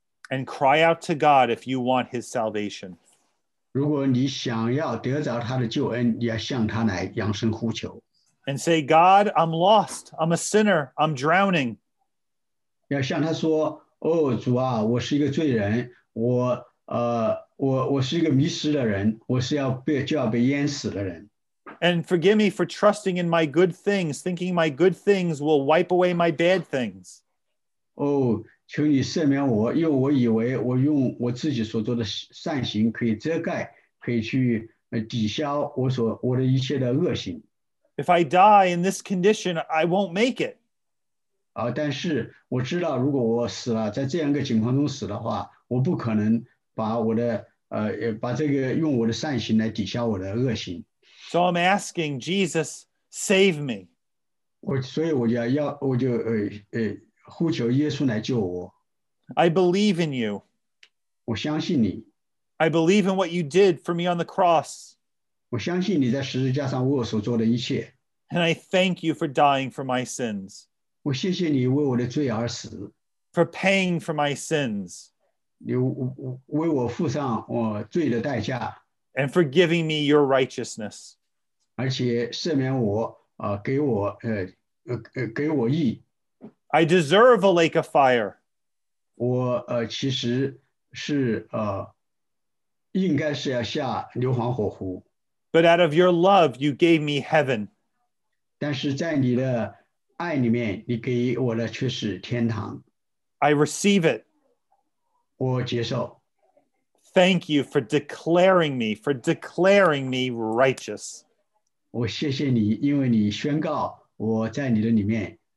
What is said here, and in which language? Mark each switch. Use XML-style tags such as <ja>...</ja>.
<en>and cry out to God if you want his salvation.</en> <zh>如果你想要得着他的救恩,你要向他来扬声呼求。</zh> <en>And say, God, I'm lost. I'm a sinner. I'm drowning.</en> <zh>要向他说,哦,主啊,我是一个罪人,我是一个迷失的人,我是要被淹死的人。</zh> <en>And forgive me for trusting in my good things, thinking my good things will wipe away my bad things.</en> <zh>Oh, 求你赦免我,因为我以为我用我自己所做的善行可以遮盖,可以去抵消我的一切的恶行。</zh> <en>If I die in this condition, I won't make it.</en> <zh>但是我知道如果我死了，在这样一个情况中死的话，我不可能把我的把这个用我的善行来抵消我的恶行。</zh> <en>So I'm asking Jesus, save me.</en> <zh>所以我就呼求耶稣来救我。</zh> <en>I believe in you.</en> <zh>我相信你。</zh> <en>I believe in what you did for me on the cross.</en> <zh>我相信你在十字架上为我所做的一切。</zh> <en>And I thank you for dying for my sins.</en> <zh>我谢谢你为我的罪而死。</zh> <en>For paying for my sins.</en> <zh>你为我付上我罪的代价。</zh> <en>And for giving me your righteousness.</en> <zh>而且赦免我给我义。</zh> <en>I deserve a lake of fire.</en> <zh>我其实是应该是要下硫磺火湖。</zh> <en>But out of your love, you gave me heaven.</en> <zh>但是在你的爱里面，你给我的却是天堂。</zh> <en>I receive it.</en> <zh>我接受。</zh> <en>Thank you for declaring me righteous.</en> <zh>我谢谢你，因为你宣告我在你的里面。</zh>